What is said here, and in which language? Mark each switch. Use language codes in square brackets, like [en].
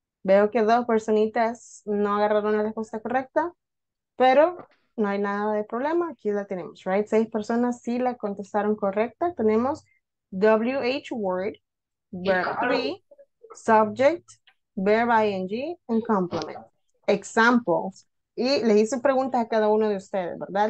[es] Veo que dos personitas no agarraron la respuesta correcta, pero no hay nada de problema. Aquí la tenemos, right? Seis personas sí la contestaron correcta. [en] Tenemos WH word, verb 3, subject, verb ing, and complement. Examples. [es] Y les hice preguntas a cada uno de ustedes, ¿verdad?